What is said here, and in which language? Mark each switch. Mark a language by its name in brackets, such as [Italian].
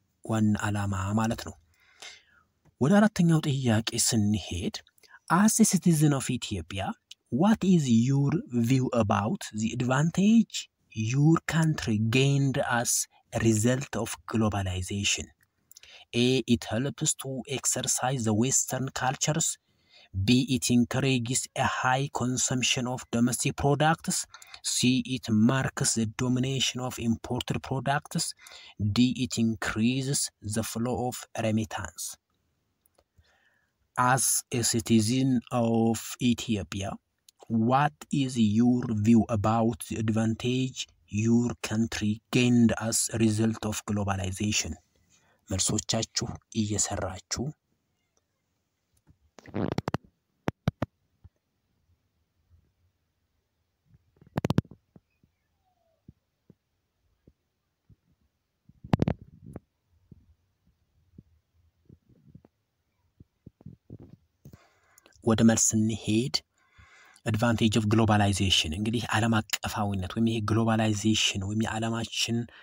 [Amharic] ዋና ዓላማ ማለት ነው። ወደ አራተኛው ጥያቄ ስንሄድ [English] አስ ሲቲዝን ኦፍ ኢትዮጵያ ዋት ኢዝ ዩር ቪው አባውት ዚ አድቫንቴጅ your country gained as a result of globalization? A. It helps to exercise the Western cultures. B. It encourages a high consumption of domestic products. C. It marks the domination of imported products. D. It increases the flow of remittance. As a citizen of Ethiopia, what is your view about the advantage your country gained as a result of globalization? [Amharic] መልሶቻችሁ እየሰራችሁ ወደ መልስ እንሄድ። [English] advantage of globalization [Amharic] እንግዲህ ዓለም አቀፋዊነት ወይም ይሄ globalization ወይም የዓለማችን